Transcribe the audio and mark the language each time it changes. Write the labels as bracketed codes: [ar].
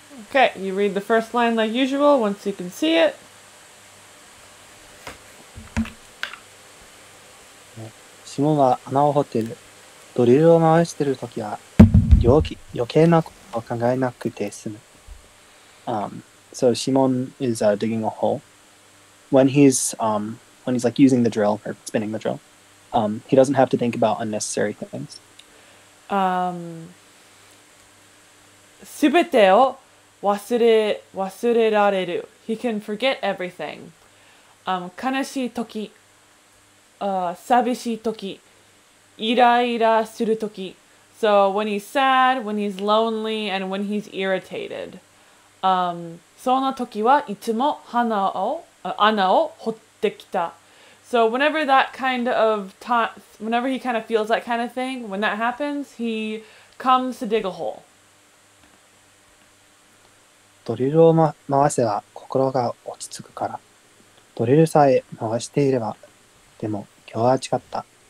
[en] Okay, you read the first line like usual once you can see it. [ja] シモンは穴を掘っている。ドリルを回しているときは余計なことを考えなくて済む。 [en] So Simon is digging a hole. When he's like using the drill or spinning the drill, he doesn't have to think about unnecessary things. [ja] Subete o wasurerareru. [en] He can forget everything. [ja] Kanashii toki, sabishii toki, iraira suru toki. [en] So when he's sad, when he's lonely, and when he's irritated. [ja] その時はいつも穴を掘ってきた。 [en] So whenever that kind of whenever he kind of feels that kind of thing, when that happens, he comes to dig a hole. [ja] ドリルを、回せば心が落ち着くから。ドリルさえ回していれば、でも今日は違った。